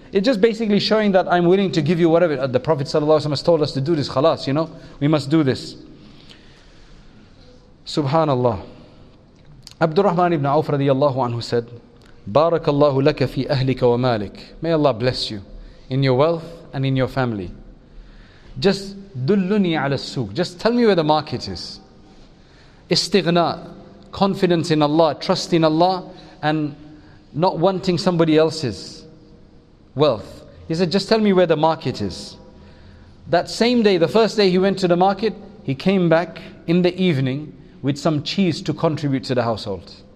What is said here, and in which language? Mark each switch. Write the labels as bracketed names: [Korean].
[English] It's just basically showing that I'm willing to give you whatever. The Prophet ﷺ has told us to do this. Khalas, you know, we must do this. Subhanallah. Abdurrahman ibn Awf radiyallahu anhu said, [Arabic] Barakallahu laka fi ahlika wa malik. [English] May Allah bless you in your wealth and in your family. Just [Arabic] دُلُّنِي عَلَى السُّوكِ. [English] Just tell me where the market is. Istighna, confidence in Allah, trust in Allah, and not wanting somebody else's wealth. He said, just tell me where the market is. That same day, the first day he went to the market, he came back in the evening with some cheese to contribute to the household.